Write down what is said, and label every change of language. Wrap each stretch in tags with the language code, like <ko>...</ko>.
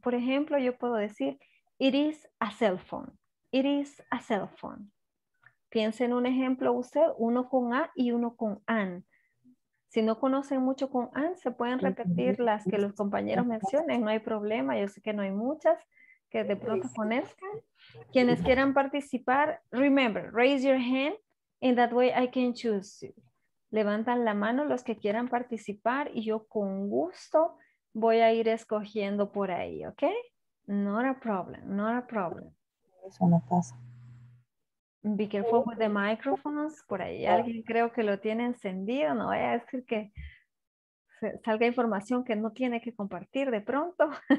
<es>Por ejemplo, yo puedo decir,</es> <en>it is a cell phone. It is a cell phone.</en> <es>Piense en un ejemplo usted, uno con a y uno con an. Si no conocen mucho con an, se pueden repetir las que los compañeros mencionen. No hay problema, yo sé que no hay muchas que de pronto conozcan. Quienes quieran participar,</es> <en>remember, raise your hand, and that way I can choose you.</en> <es>Levantan la mano los que quieran participar y yo con gusto voy a ir escogiendo por ahí, ¿ok?</es> <en>Not a problem, not a problem.</en> <es>Eso no pasa.</es> <en>Be careful with the microphones.</en> <es>Por ahí alguien creo que lo tiene encendido. No vaya a decir que salga información que no tiene que compartir de pronto.</es>